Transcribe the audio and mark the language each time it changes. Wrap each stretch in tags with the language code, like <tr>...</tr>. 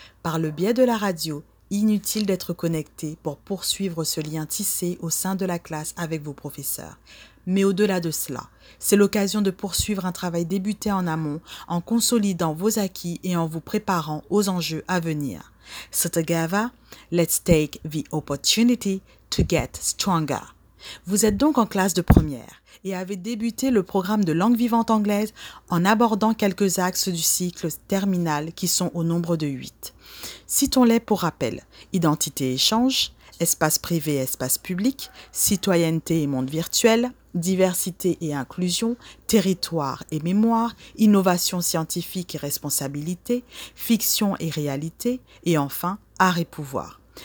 <fr>Par le biais de la radio, inutile d'être connecté pour poursuivre ce lien tissé au sein de la classe avec vos professeurs. Mais au-delà de cela, c'est l'occasion de poursuivre un travail débuté en amont en consolidant vos acquis et en vous préparant aux enjeux à venir.</fr> <en>So together, let's take the opportunity to get stronger.</en> <fr>Vous êtes donc en classe de première et avez débuté le programme de langue vivante anglaise en abordant quelques axes du cycle terminal qui sont au nombre de 8. Citons-les pour rappel, identité et échange, espace privé et espace public, citoyenneté et monde virtuel, diversité et inclusion, territoire et mémoire, innovation scientifique et responsabilité, fiction et réalité, et enfin, art et pouvoir.</fr>